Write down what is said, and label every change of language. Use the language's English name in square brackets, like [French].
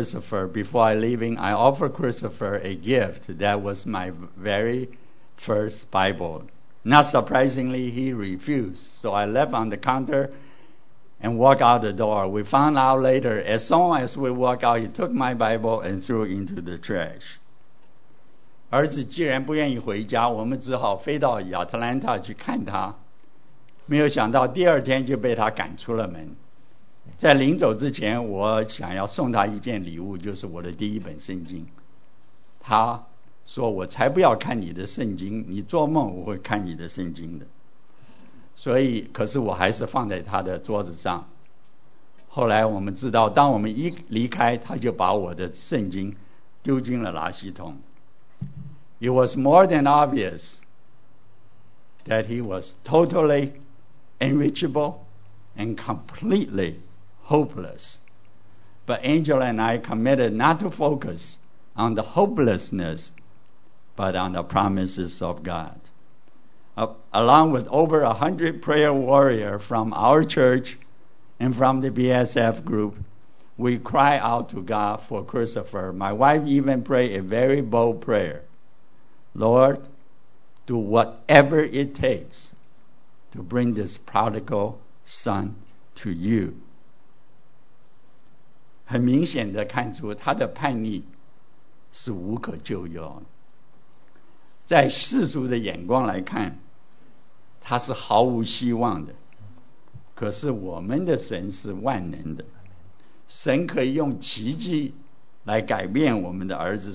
[English] I offered Christopher a gift that was my very first Bible. Not surprisingly, he refused. So I left on the counter. And walk out the door. We found out later, as soon as we walk out, he took my Bible and threw it into the trash. [Chinese] 儿子既然不愿意回家，我们只好飞到亚特兰大去看他。没有想到第二天就被他赶出了门。在临走之前，我想要送他一件礼物，就是我的第一本圣经。他说：“我才不要看你的圣经，你做梦我会看你的圣经的。” 所以可是我还是放在他的桌子上。后来我们知道，当我们一离开，他就把我的圣经丢进了垃圾桶。 [English] It was more than obvious that he was totally unreachable and completely hopeless. But Angel and I committed not to focus on the hopelessness but on the promises of Godalong with over 100 prayer warriors from our church and from the BSF group, we cry out to God for Christopher. My wife even prayed a very bold prayer. Lord, do whatever it takes to bring this prodigal son to you. [Chinese] 很明显的看出他的叛逆是无可救药。在世俗的眼光来看，他是毫无希望的，可是我们的神是万能的，神可以用奇迹来改变我们的儿子。